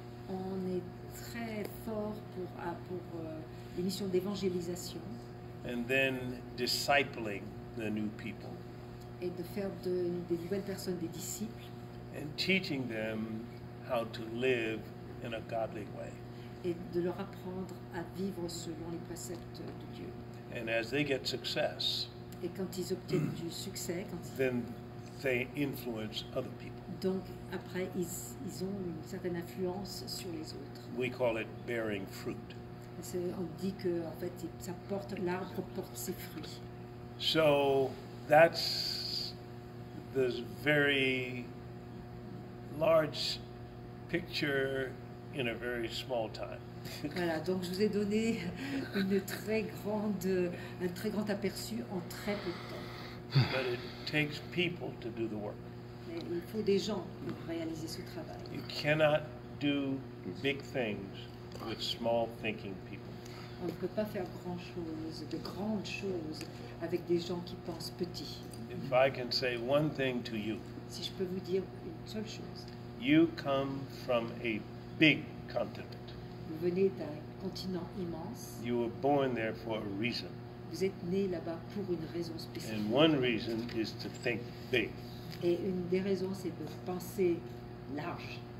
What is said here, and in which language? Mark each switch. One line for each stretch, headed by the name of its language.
French: On est très fort pour les missions d'évangélisation.
English: And then discipling the new people.
French: Et de faire de nouvelles personnes des disciples.
English: And teaching them how to live in a godly way.
French: Et de leur apprendre à vivre selon les préceptes de Dieu.
English: And as they get success,
French: et quand ils obtiennent du succès,
English: then they influence other people.
French: Donc après, ils ont une certaine influence sur les autres.
English: We call it bearing fruit.
French: On dit que en fait, ça porte, l'arbre porte ses fruits.
English: So that's the very large picture in a very small time.
French: Voilà, donc je vous ai donné un très grand aperçu en très peu de temps.
English: But it takes people to do the work.
French: Mais il faut des gens pour réaliser ce travail.
English: You cannot do big things with small thinking people.
French: On ne peut pas faire de grandes choses avec des gens qui pensent petit.
English: If I can say one thing to you.
French: Si je peux vous dire une seule chose.
English: You come from a big continent.
French: Vous venez d'un continent immense.
English: You were born there for a reason.
French: Vous êtes né là-bas pour une raison spécifique.
English: And one reason is to think big.
French: Et une des raisons, c'est de penser large.